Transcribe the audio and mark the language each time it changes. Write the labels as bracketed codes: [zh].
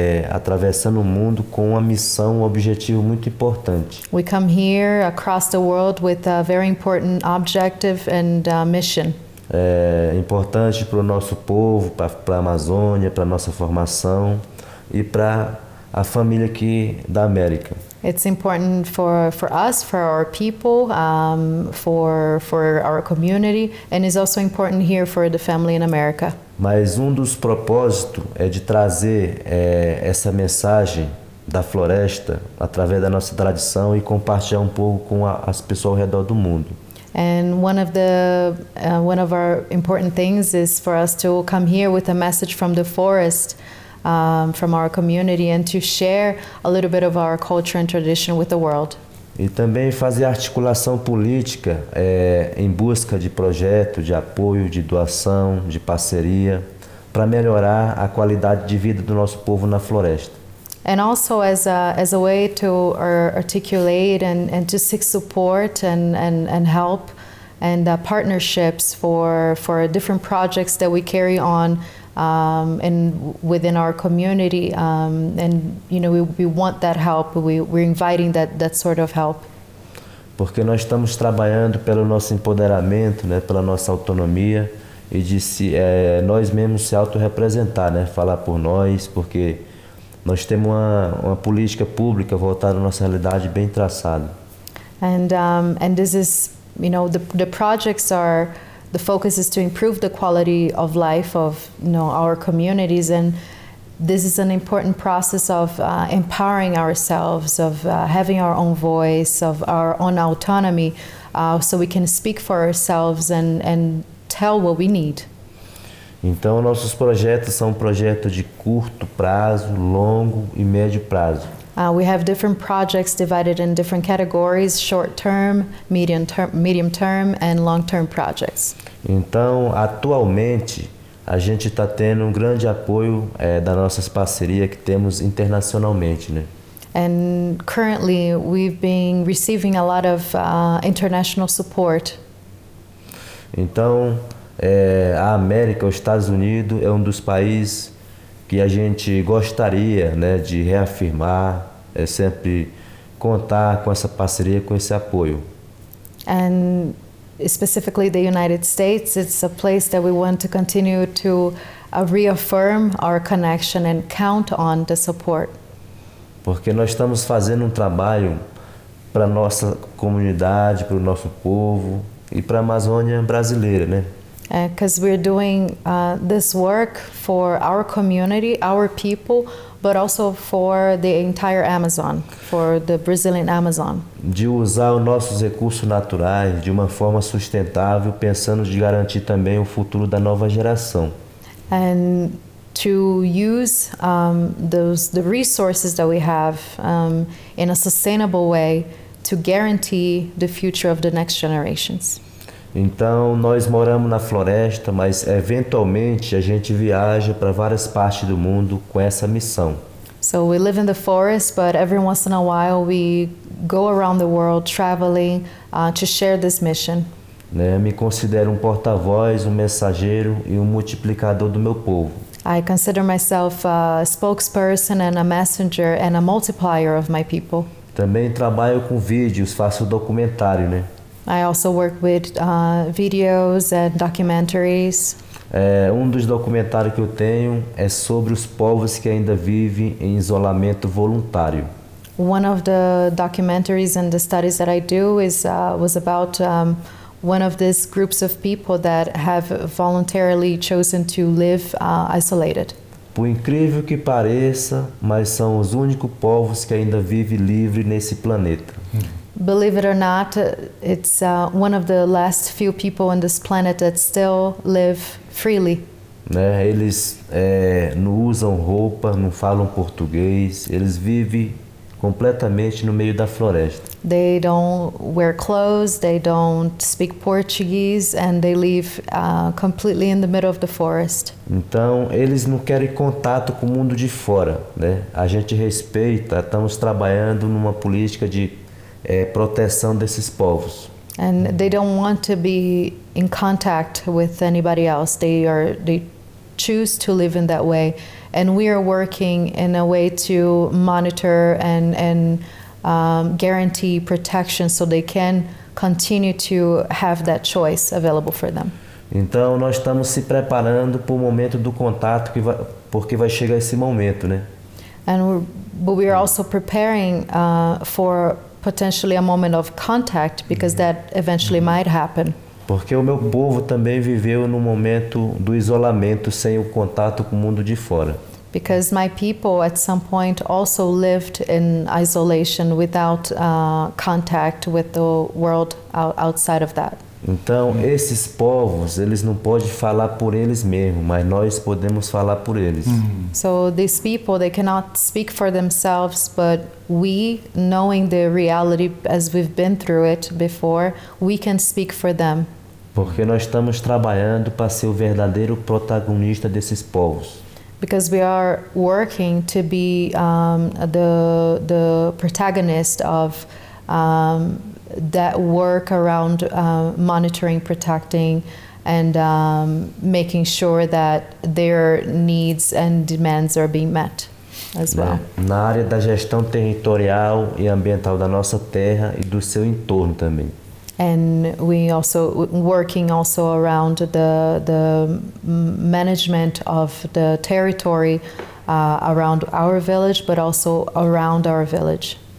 [pt] atravessando o mundo com uma missão, um objetivo muito importante. [en] We come here across the world with a very important objective and mission. [pt] É importante para o nosso povo, para a Amazônia, para a nossa formação e para a família aqui da América. [en] It's important for us, for our people, for our community, and is also important here for the family in America. [pt] Mas um dos propósitos é de trazer essa mensagem da floresta através da nossa tradição e compartilhar um pouco com as pessoas ao redor do mundo. [en] And one of our important things is for us to come here with a message from the forest, from our community, and to share a little bit of our culture and tradition with the world. [pt] E também fazer articulação política em busca de projeto, de apoio, de doação, de parceria, para melhorar a qualidade de vida do nosso povo na floresta. [en] And also as a way to articulate and to seek support and help and partnerships for different projects that we carry on and within our community, and you know we want that help, we're inviting that sort of help. [pt] Porque nós estamos trabalhando pelo nosso empoderamento, né, pela nossa autonomia e de nós mesmos se auto-representar, né, falar por nós, porque nós temos uma política pública voltada à nossa realidade bem traçada. [en] And this is, you know, the projects are, the focus is to improve the quality of life of, you know, our communities, and this is an important process of empowering ourselves, of having our own voice, of our own autonomy, so we can speak for ourselves and tell what we need. [pt] Então, nossos projetos são projetos de curto prazo, longo e médio prazo. [en] We have different projects divided in different categories, short-term, medium-term, and long-term projects. [pt] Então, atualmente, a gente está tendo um grande apoio das nossas parcerias que temos internacionalmente, né? [en] And currently, we've been receiving a lot of international support. [pt] Então, a América, os Estados Unidos, é um dos países que a gente gostaria, né, de reafirmar, sempre contar com essa parceria, com esse apoio. [en] And specifically the United States, it's a place that we want to continue to reaffirm our connection and count on the support. [pt] Porque nós estamos fazendo um trabalho para a nossa comunidade, para o nosso povo e para a Amazônia brasileira, né? [en] Because we're doing this work for our community, our people, but also for the entire Amazon, for the Brazilian Amazon. [pt] De usar os nossos recursos naturais de uma forma sustentável, pensando de garantir também o futuro da nova geração. [en] And to use the resources that we have in a sustainable way to guarantee the future of the next generations. [pt] Então, nós moramos na floresta, mas eventualmente a gente viaja para várias partes do mundo com essa missão. [en] So we live in the forest, but every once in a while we go around the world traveling to share this mission. [pt] Né, me considero um porta-voz, um mensageiro e um multiplicador do meu povo. [en] I consider myself a spokesperson and a messenger and a multiplier of my people. [pt] Também trabalho com vídeos, faço documentário, né? [en] I also work with videos and documentaries. [pt] Um dos documentários que eu tenho é sobre os povos que ainda vivem em isolamento voluntário. [en] One of the documentaries and the studies that I do is was about one of these groups of people that have voluntarily chosen to live isolated. [pt] Por incrível que pareça, mas são os únicos povos que ainda vivem livre nesse planeta. [en] Believe it or not, it's one of the last few people on this planet that still live freely. [pt] Né? Eles não usam roupa, não falam português, eles vivem completamente no meio da floresta. [en] They don't wear clothes, they don't speak Portuguese, and they live completely in the middle of the forest. [pt] Então, eles não querem contato com o mundo de fora, né? A gente respeita, estamos trabalhando numa política de proteção desses povos. [en] And they don't want to be in contact with anybody else. They choose to live in that way, And we are working in a way to monitor and guarantee protection so they can continue to have that choice available for them. [pt] Então, nós estamos se preparando para o momento do contato, que vai, porque vai chegar esse momento, né? [en] But we are also preparing for potentially a moment of contact, because that eventually might happen. [pt] Porque o meu povo também viveu no momento do isolamento, sem o contato com o mundo de fora. [en] Because my people at some point also lived in isolation without contact with the world outside of that. [pt] Então, esses povos, eles não podem falar por eles mesmos, mas nós podemos falar por eles. [en] So these people, they cannot speak for themselves, but we, knowing the reality as we've been through it before, we can speak for them. [pt] Porque nós estamos trabalhando para ser o verdadeiro protagonista desses povos. [en] Because we are working to be the protagonist of that work around monitoring, protecting, and making sure that their needs and demands are being met as well. [pt] Na área da gestão territorial e ambiental da nossa terra e do seu entorno também. [en] And we also working also around the management of the territory around our village, but also around our village.